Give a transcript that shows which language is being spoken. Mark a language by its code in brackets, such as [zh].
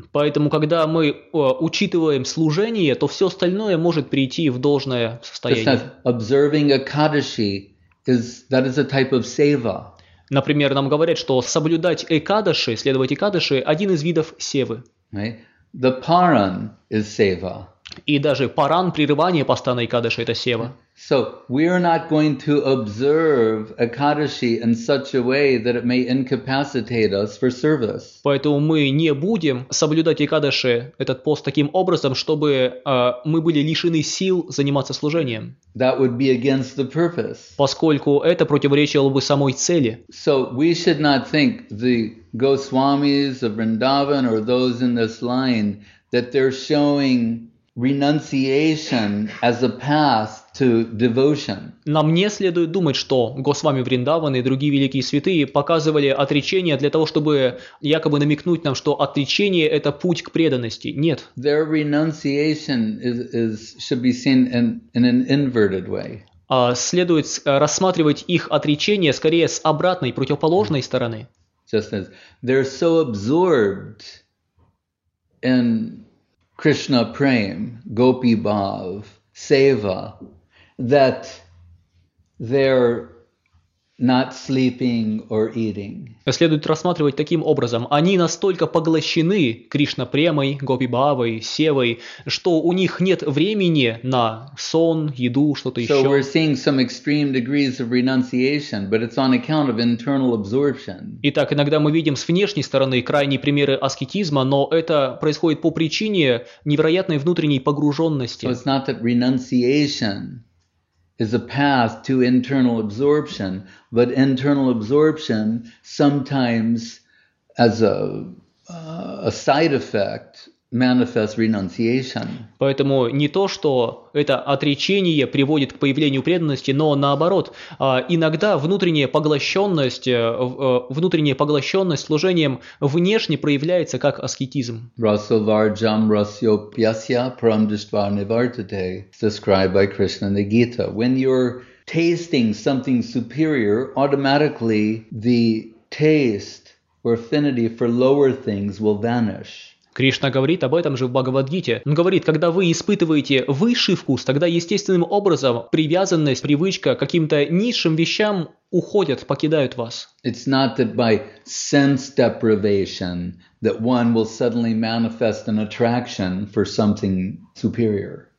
[ru] Поэтому, когда мы учитываем служение, то все остальное может прийти в должное состояние. [en] Just observing a kadashi is a type of seva. [ru] Например, нам говорят, что соблюдать экадаши, следовать экадаши, один из видов севы. [en] Right? The paran is seva. [ru] И даже паран, прерывание постана экадаши, это сева. [en] So we are not going to observe Ekadashi in such a way that it may incapacitate us for service. [ru] Поэтому мы не будем соблюдать Экадаши, этот пост, таким образом, чтобы мы были лишены сил заниматься служением. [en] That would be against the purpose. [ru] Поскольку это противоречило бы самой цели. [en] So we should not think the Goswamis of Vrindavan or those in this line that they're showing renunciation as a path to devotion. [ru] Нам не следует думать, что Госвами Вриндаван и другие великие святые показывали отречение для того, чтобы якобы намекнуть нам, что отречение – это путь к преданности. Нет. [en] Their renunciation should be seen in an inverted way. [ru] Следует рассматривать их отречение скорее с обратной, противоположной стороны. [en] Just as they're so absorbed in Krishna Prem, Gopi Bhav, Seva, that they're not sleeping or eating. [ru] Следует рассматривать таким образом. Они настолько поглощены Кришна Премой, Гопи Бхавой, Севой, что у них нет времени на сон, еду, что-то еще. [en] So we're seeing some extreme degrees of renunciation, but it's on account of internal absorption. [ru] Итак, иногда мы видим с внешней стороны крайние примеры аскетизма, но это происходит по причине невероятной внутренней погруженности. [en] So it's not that renunciation is a path to internal absorption, but internal absorption sometimes as a side effect manifests renunciation. [ru] Поэтому не то, что это отречение приводит к появлению преданности, но наоборот, иногда внутренняя поглощенность служением внешне проявляется как аскетизм. [sa] Rasavarjam rasyopyasya param dishtva nivartate [en] is described by Krishna in the Gita. When you're tasting something superior, automatically the taste or affinity for lower things will vanish. [ru] Кришна говорит об этом же в Бхагавадгите. Он говорит, когда вы испытываете высший вкус, тогда естественным образом привязанность, привычка к каким-то низшим вещам уходят, покидают вас. [en] It's not that by sense deprivation that one will suddenly manifest an attraction for something superior.